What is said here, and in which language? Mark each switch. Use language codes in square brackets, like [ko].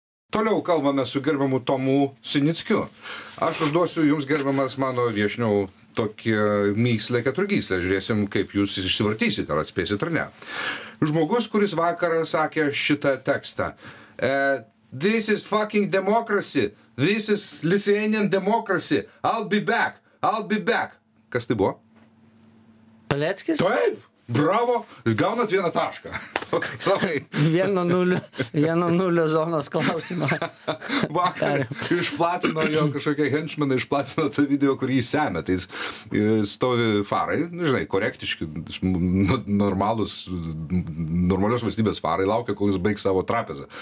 [lt] Toliau kalbame su gerbiamu Tomu Sinickiu. Aš užduosiu jums, gerbiamas mano viešniau, tokį mįslę keturgyslę. Žiūrėsim, kaip jūs išsivartysit, ar atspėsit, ar ne. Žmogus, kuris vakar sakė šitą tekstą. [en] This is fucking democracy. This is Lithuanian democracy. I'll be back. I'll be back. [lt] Kas tai buvo? Paleckis? Taip. Bravo, gaunat vieną tašką. Vieno nulio zonos klausimą. Vakar išplatino jo kažkokie henčmenai, išplatino tą video, kurį jis semė. Tai stovi farai, žinai, korektiški, normalios valstybės farai, laukia, kol jis baig savo trapezą.